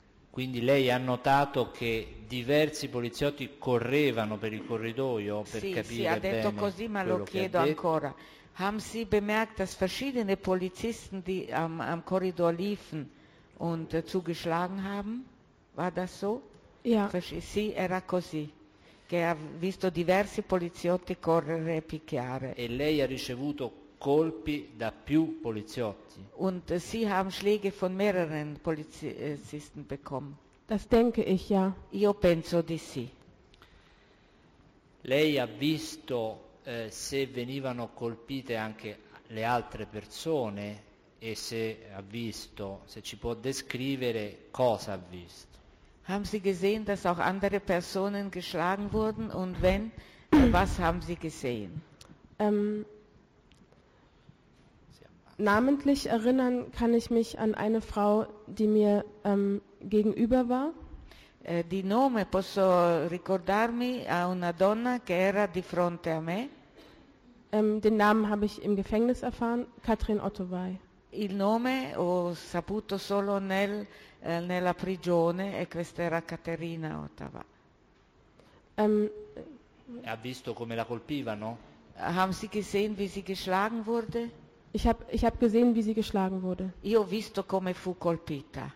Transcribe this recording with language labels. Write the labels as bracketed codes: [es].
[it] Quindi lei ha notato che diversi poliziotti correvano per il corridoio per sì, capire bene. Sì, ha detto bene così, ma lo chiedo ancora. [de] Haben Sie bemerkt, dass verschiedene Polizisten, die am Korridor liefen und zugeschlagen haben? War das so? Ja. [it] Sì, era così. Che ha visto diversi poliziotti correre e picchiare. E lei ha ricevuto colpi da più poliziotti. [de] Und sie haben Schläge von mehreren Polizisten bekommen. Das denke ich ja. [it] Io penso di sì. Lei ha visto se venivano colpite anche le altre persone e se ha visto, se ci può descrivere cosa ha visto. [de] Haben Sie gesehen, dass auch andere Personen geschlagen wurden? Und wenn, was haben Sie gesehen? Namentlich erinnern kann ich mich an eine Frau, die mir gegenüber war. [it] Di nome posso ricordarmi a una donna che era di fronte a me. [de] Den Namen habe ich im Gefängnis erfahren, Katrin Ottowei. [it] Il nome ho saputo solo nella prigione e questa era Caterina Ottowei. Ha visto come la colpivano? [de] Haben Sie gesehen, wie sie geschlagen wurde? Ich hab gesehen, wie sie geschlagen wurde. [it] Io ho visto come fu colpita.